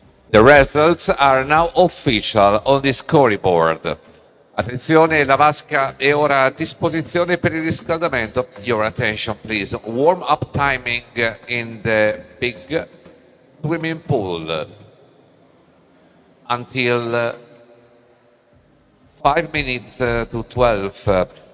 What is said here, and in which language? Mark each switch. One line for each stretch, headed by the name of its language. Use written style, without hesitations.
English: The results are now official on the scoreboard.
Italian: Attenzione, la vasca è ora a disposizione per il riscaldamento.
English: Your attention, please. Warm up timing in the big swimming pool until 11:55.